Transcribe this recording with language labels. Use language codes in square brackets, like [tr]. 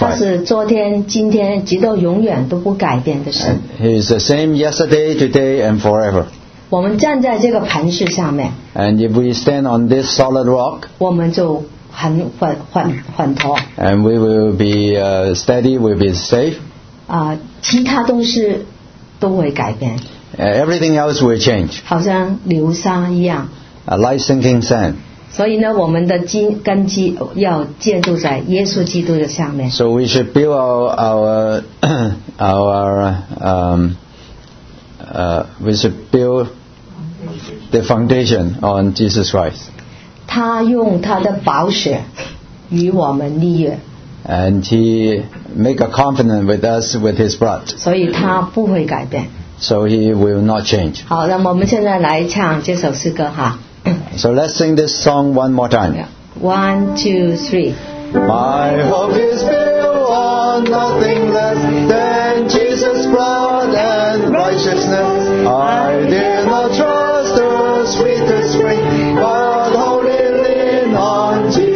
[zh] 他是昨天、今天、直到永远都不改变的神。 [en] He is the same yesterday, today, and forever. [zh] 我们站在这个磐石上面。 [en] And if we stand on this solid rock, [zh] 我们就很缓妥。 [en] And we will be steady, we'll be safe. [zh] 其他东西都会改变。 [en] Everything else will change. [zh] 好像流沙一样。 [en] Like sinking sand. [zh] 所以呢，我们的根基要建筑在耶稣基督的上面。 [en] So we should build our the foundation on Jesus Christ. [zh] 他用他的宝血与我们立约。 [en] And he make a covenant with us with his blood. [zh] 所以他不会改变。 [en] So he will not change. [zh] 好，那么我们现在来唱这首诗歌哈。 [en] So let's sing this song one more time. One, two, three. My hope is built on nothing less than Jesus' blood and righteousness. I dare not trust the sweetest spring, but wholly lean on Jesus.